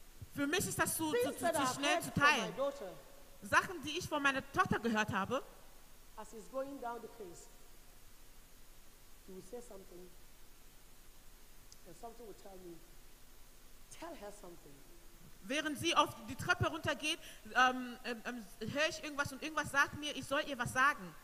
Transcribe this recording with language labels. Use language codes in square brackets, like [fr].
[de] Für mich ist das zu schnell zu teilen. Sachen, die ich von meiner Tochter gehört habe, [en] as he's going down the case, he will say something, and something will tell me, tell her something. [de] Während sie auf die Treppe runtergeht, höre ich irgendwas und irgendwas sagt mir, ich soll ihr was sagen.